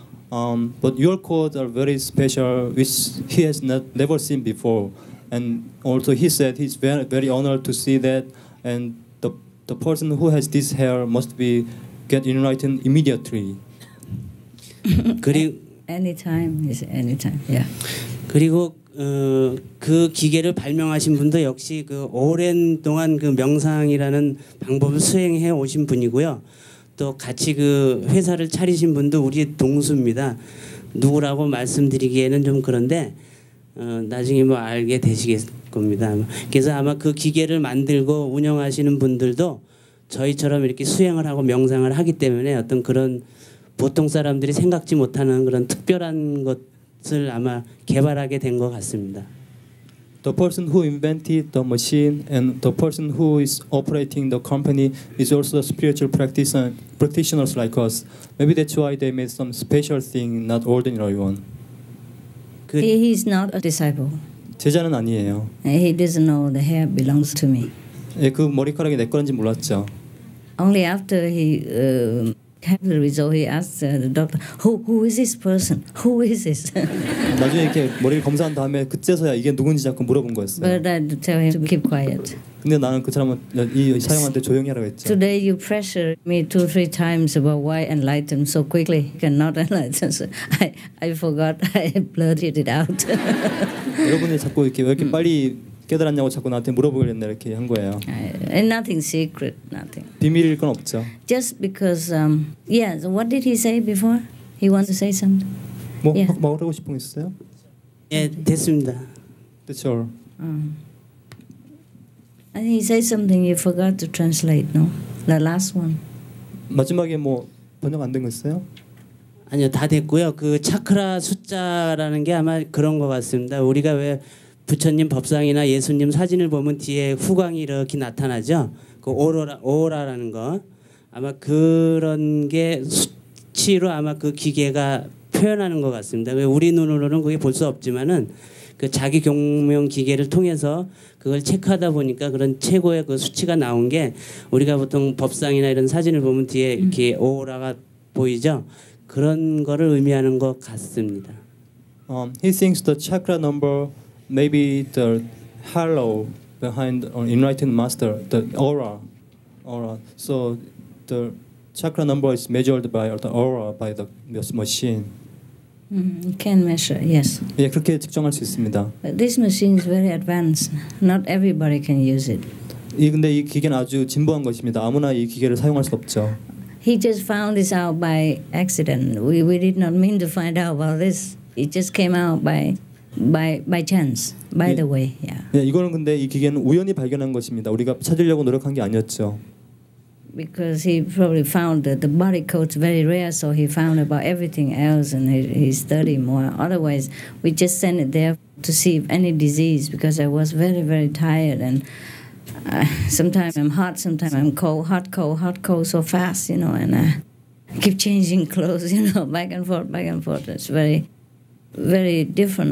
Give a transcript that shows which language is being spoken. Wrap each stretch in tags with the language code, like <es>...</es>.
<en>But your codes are very special, which he has never seen before. And also he said he's very, very honored to see that. And the person who has this hair must be get enlightened immediately. Anytime is anytime. Yeah.</en> <ko>그리고 그 기계를 발명하신 분도 역시 그 오랜 동안 그 명상이라는 방법을 수행해 오신 분이고요. 또 같이 그 회사를 차리신 분도 우리 동수입니다. 누구라고 말씀드리기에는 좀 그런데 나중에 뭐 알게 되시겠 겁니다. 그래서 아마 그 기계를 만들고 운영하시는 분들도 저희처럼 이렇게 수행을 하고 명상을 하기 때문에 어떤 그런 보통 사람들이 생각지 못하는 그런 특별한 것을 아마 개발하게 된 것 같습니다.</ko> <en>The person who invented the machine and the person who is operating the company is also a spiritual practitioner like us. Maybe that's why they made some special thing, not ordinary one. He's not a disciple.</en> <ko>제자는 아니에요.</ko> <en>He doesn't know the hair belongs to me.</en> <ko>예, 그 머리카락이 내 거인지 몰랐죠.</ko> <en>Only after he had the result, he asked the doctor, "Who is this person? Who is this?"</en> <ko>나중에 이렇게 머리를 검사한 다음에 그제서야 이게 누군지 자꾸 물어본 거였어요.</ko> <en>But I tell him to keep quiet.</en> <ko>근데 나는 그 사람은 이 사형한테 조용히 하라고 했죠.</ko> <en>Today you pressure me 2-3 times about why enlightened so quickly cannot enlighten. So I forgot. I blurted it out.</en> <ko>여러분이 자꾸 이렇게 왜 이렇게 빨리 깨달았냐고 자꾸 나한테 물어보려는데 이렇게 한 거예요.</ko> <en>Nothing secret, nothing.</en> <ko>비밀일 건 없죠.</ko> <en>Just because, yeah. So what did he say before? He want to say something.</en> <ko>뭐 yeah. 말하고 싶은 게 있어요? 예, 됐습니다.</ko> <en>That's all. And he said something you forgot to translate, no? The last one.</en> <ko>마지막에 뭐 번역 안 된 거 있어요? 아니요, 다 됐고요. 그 차크라 숫자라는 게 아마 그런 거 같습니다. 우리가 왜 부처님 법상이나 예수님 사진을 보면 뒤에 후광이 이렇게 나타나죠? 그 오로라라는 거. 아마 그런 게 수치로 아마 그 기계가 표현하는 것 같습니다. 왜 우리 눈으로는 그게 볼 수 없지만은 그 자기 경명 기계를 통해서 그걸 체크하다 보니까 그런 최고의 그 수치가 나온 게 우리가 보통 법상이나 이런 사진을 보면 뒤에 이렇게 오라가 보이죠? 그런 거를 의미하는 것 같습니다.</ko> <en>He thinks the chakra number may be the halo behind an enlightened master, the aura. So the chakra number is measured by the aura by the machine. Can measure, yes.</en> <ko>예, 그렇게 측정할 수 있습니다.</ko> <en>But this machine is very advanced. Not everybody can use it.</en> <ko>이 근데 이 기계는 아주 진보한 것입니다. 아무나 이 기계를 사용할 수 없죠.</ko> <en>He just found this out by accident. We did not mean to find out about this. It just came out by chance. By</en> <ko>예,</ko> <en>the way, yeah.</en> <ko>예, 이거는 근데 이 기계는 우연히 발견한 것입니다. 우리가 찾으려고 노력한 게 아니었죠.</ko> <en>Because he probably found that the body codes very rare, so he found about everything else, and he studied more. Otherwise, we just sent it there to see if any disease. Because I was very, very tired, and sometimes I'm hot, sometimes I'm cold, hot, cold, hot, cold, so fast, you know, and I keep changing clothes, you know, back and forth, it's very, very different.</en>